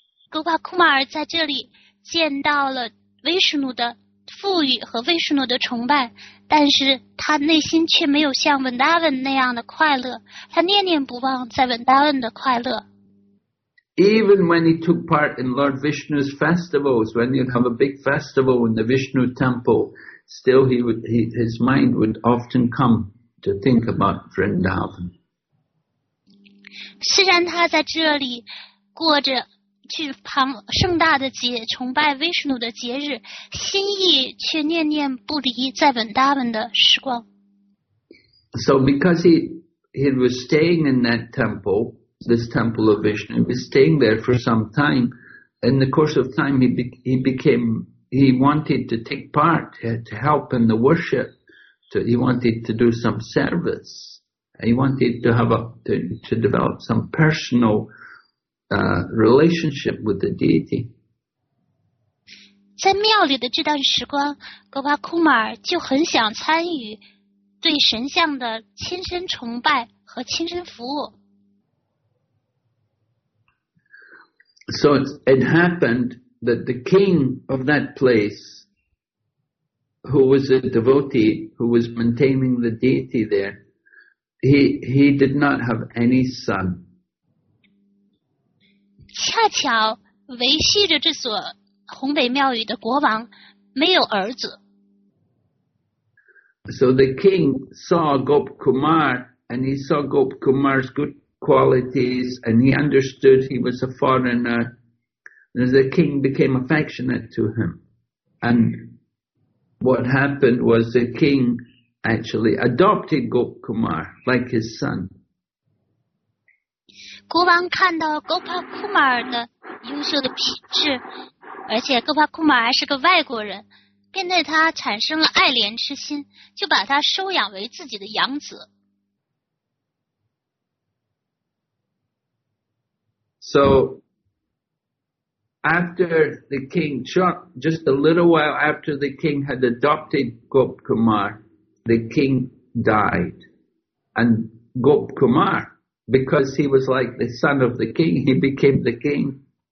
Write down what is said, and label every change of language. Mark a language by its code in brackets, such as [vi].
[zh] Gopal Kumar 在这里见到了维什努的富裕和维什努的崇拜，但是他内心却没有像 Vrindavan 那样的快乐，他念念不忘在 Vrindavan 的快乐。 [en] Even when he took part in Lord Vishnu's festivals, when he'd have a big festival in the Vishnu temple, still his mind would often come to think about Vrindavan. [zh] 虽然他在这里过着去旁盛大的节崇拜威士努的节日，心意却念念不离在文达文的时光。 [en] So because he was staying in that temple, this temple of Vishnu, he was staying there for some time. In the course of time, he wanted to take part to help in the worship. He wanted to do some service. He wanted to to develop some personal. Relationship with the deity. [zh] 在庙里的这段时光， Gopal Kumar 就很想参与对神像的亲身崇拜和亲身服务。 [en] So it happened that the king of that place, who was a devotee, who was maintaining the deity there, he did not have any son. [zh] 恰巧维系着这所宏伟庙宇的国王没有儿子。 [en] So the king saw Gop Kumar, and he saw Gop Kumar's good qualities, and he understood he was a foreigner. And the king became affectionate to him. And what happened was the king actually adopted Gop Kumar like his son. [zh] 国王看到 Gop Kumar 的优秀的品质，而且 Gop Kumar 还是个外国人。便对他产生了爱怜之心，就把他收养为自己的养子。 [en] So, after the king, just a little while after the king had adopted Gop Kumar, the king died. And Gop Kumar, because he was like the son of the king, he became the king.